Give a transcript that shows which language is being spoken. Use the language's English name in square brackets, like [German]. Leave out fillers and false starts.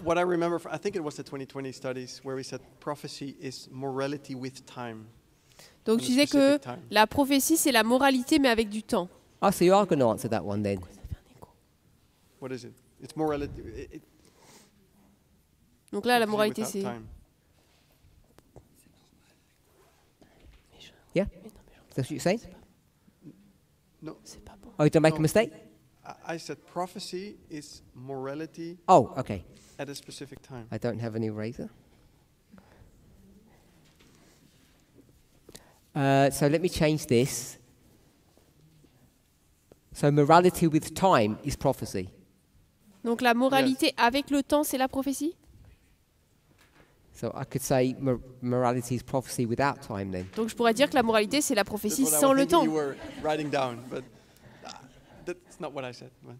[English] What I remember, I think it was the 2020 studies where we said prophecy is morality with time. [French] Donc tu disais que [English] time. [French] La prophétie c'est la moralité mais avec du temps. [English] Oh, so you are going to answer that one then. What is it? It's morality. [French] Donc là, la moralité, c'est... [English] Yeah? Is that what you're saying? No. Oh, you don't make a mistake? I said prophecy is morality. Oh, okay. At a specific time. I don't have an eraser. So let me change this. So morality with time is prophecy. [French] Donc la moralité yes. Avec le temps, c'est la prophétie? [English] So I could say morality is prophecy without time then. [French] Donc je pourrais dire que la moralité c'est la prophétie sans le temps. [English] You were writing down, but that's not what I said.